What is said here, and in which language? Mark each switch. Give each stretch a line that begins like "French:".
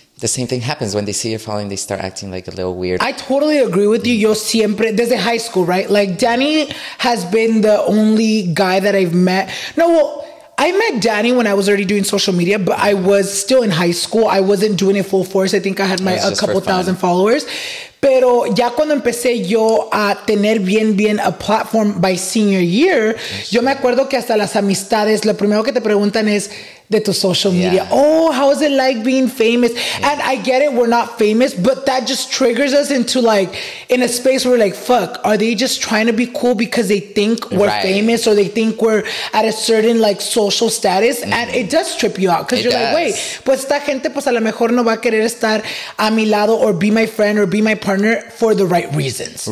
English: The same thing happens when they see you're following, they start acting like a little weird. I totally agree with you.
Spanish: Yo siempre, desde
English: high school, right? Like, Danny has been the only guy that I've met. No, well, I met Danny when I was already doing social media, but I was still in high school. I wasn't doing it full force. I think I had my a couple thousand followers.
Spanish: Pero ya cuando empecé yo a tener bien, bien
English: a platform by senior year,
Spanish: yo me acuerdo que hasta las amistades, lo primero que te preguntan es de tu social media.
English: Oh, how is it like being famous? Yeah. And I get it, we're not famous, but that just triggers us into, like, in a space where we're like, fuck, are they just trying to be cool because they think we're famous or they think we're at a certain, like, social status? Mm-hmm. And it does trip you out because you're like, wait,
Spanish: pues esta gente pues a lo mejor no va a querer estar a mi lado
English: or be my friend or be my partner for the right reasons.